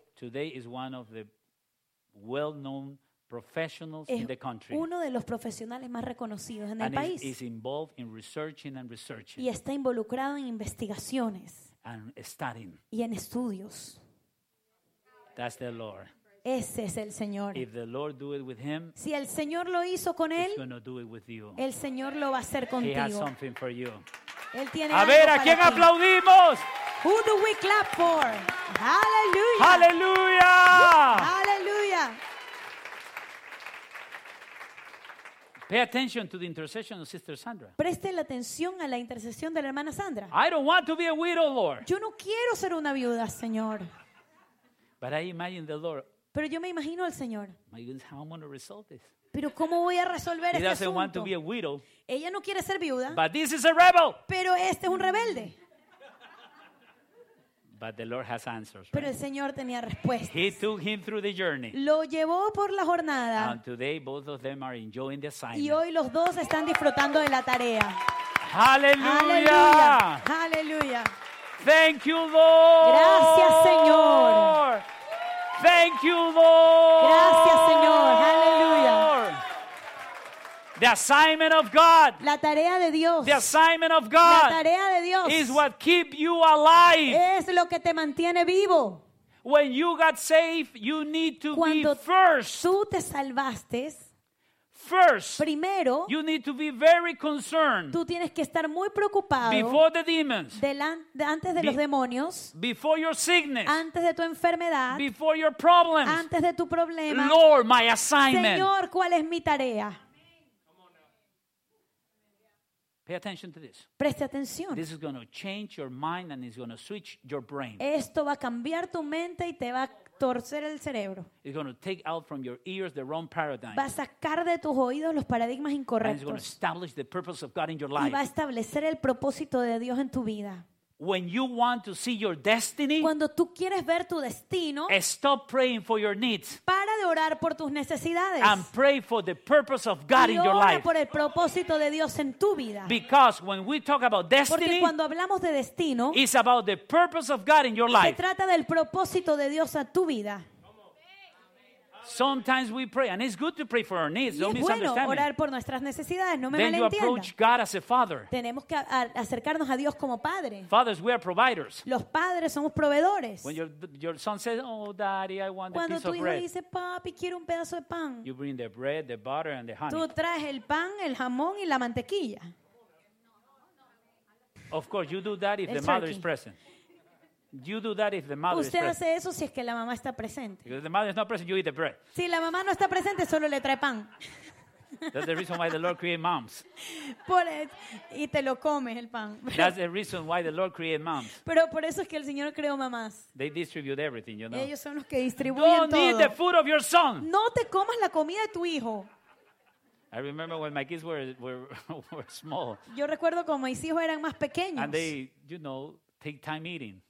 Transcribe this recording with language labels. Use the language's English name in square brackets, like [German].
[English] Today is one of the well-known professionals in the country. [Spanish] Uno de los profesionales más reconocidos en el [English] and [Spanish] país. [English] Is involved in researching and researching. [Spanish] Y está involucrado en investigaciones. [English] And studying. [Spanish] Y en estudios. [English] That's the Lord. [Spanish] Ese es el Señor. [English] If the Lord do it with him, [Spanish] si el Señor lo hizo con él, [English] he's gonna do it with you. [Spanish] El Señor lo va a hacer contigo. [English] He has something for you. [Spanish] Él tiene a ver, ¿a quién ti. Aplaudimos? [English] Who do we clap for? Hallelujah. Hallelujah. Hallelujah. Pay attention to the intercession of Sister Sandra. [Spanish] Preste la atención a la intercesión de la hermana Sandra. [English] I don't want to be a widow, Lord. [Spanish] Yo no quiero ser una viuda, Señor. [English] But I imagine the Lord. [Spanish] Pero yo me imagino al Señor. [English] My goodness, how am I going to resolve this? [Spanish] Pero ¿cómo voy a resolver este asunto? [English] Want to be a widow. [Spanish] Ella no quiere ser viuda. [English] But this is a rebel. [Spanish] Pero este es un rebelde. [English] But the Lord has answers, [Spanish] pero [English] right? [Spanish] El Señor tenía respuestas. [English] He took him through the journey. [Spanish] Lo llevó por la jornada. [English] And today both of them are enjoying the assignment. [Spanish] Y hoy los dos están disfrutando de la tarea. ¡Aleluya! ¡Aleluya! [English] Thank you, Lord. [Spanish] Gracias, Señor. [English] Thank you, Lord. [Spanish] Gracias, Señor. Aleluya. [English] The assignment of God. [Spanish] La tarea de Dios. [English] The assignment of God. [Spanish] La tarea de Dios. [English] Is what keep you alive. [Spanish] Es lo que te mantiene vivo. [English] When you got saved, you need to [Spanish] cuando [English] be first. [Spanish] Cuando tú te salvaste, [English] first. [Spanish] Primero, [English] you need to be very concerned. [Spanish] Tú tienes que estar muy preocupado. [English] Before the demons. [Spanish] Antes de los demonios. [English] Before your sickness. [Spanish] Antes de tu enfermedad. [English] Before your problems. [Spanish] Antes de tu problema. [English] Lord, my assignment. [Spanish] Señor, ¿cuál es mi tarea? [English] Pay attention to this. [Spanish] Preste atención. [English] This is going to change your mind and it's going to switch your brain. [Spanish] Esto va a cambiar tu mente y te va a torcer el cerebro. [English] It's going to take out from your ears the wrong paradigm. [Spanish] Va a sacar de tus oídos los paradigmas incorrectos. [English] And it's going to establish the purpose of God in your life. [Spanish] Y va a establecer el propósito de Dios en tu vida. [English] When you want to see your destiny, [Spanish] cuando tú quieres ver tu destino, [English] stop praying for your needs. [Spanish] Para de orar por tus necesidades. [English] And pray for the purpose of God in your life. [Spanish] Y ora por el propósito de Dios en tu vida. [English] Because when we talk about destiny, [Spanish] porque cuando hablamos de destino, [English] it's about the purpose of God in your life. [Spanish] Se trata del propósito de Dios a tu vida. [English] Sometimes we pray, and it's good to pray for our needs. Don't misunderstand. [Spanish] Y es bueno orar por nuestras necesidades. No me malentiendas. [English] Then you approach God as a father. [Spanish] Tenemos que acercarnos a Dios como padre. [English] Fathers, we are providers. [Spanish] Los padres somos proveedores. [English] When your son says, "Oh, daddy, I want a piece of bread." [Spanish] Cuando tu hijo dice, "Papi, quiero un pedazo de pan." [English] You bring the bread, the butter, and the honey. [Spanish] Tú traes el pan, el jamón y la mantequilla. [English] Of course, you do that if the mother is present. You do that if the mother [Spanish] usted [English] is [Spanish] hace [English] present. [Spanish] Eso si es que la mamá está presente. [English] If the mother is not present, you eat the bread. [Spanish] Si la mamá no está presente, solo le trae pan. [English] That's the reason why the Lord created moms. [Spanish] Por y te lo comes el pan. [English] That's the reason why the Lord created moms. [Spanish] Pero por eso es que el Señor creó mamás. [English] They distribute everything, you know. [Spanish] Ellos son los que distribuyen todo. [English] Don't eat the food of your son. [Spanish] No te comas la comida de tu hijo. [English] I remember when my kids were small. [Spanish] Yo recuerdo cuando mis hijos eran más pequeños. [English] And they, you know, take time eating.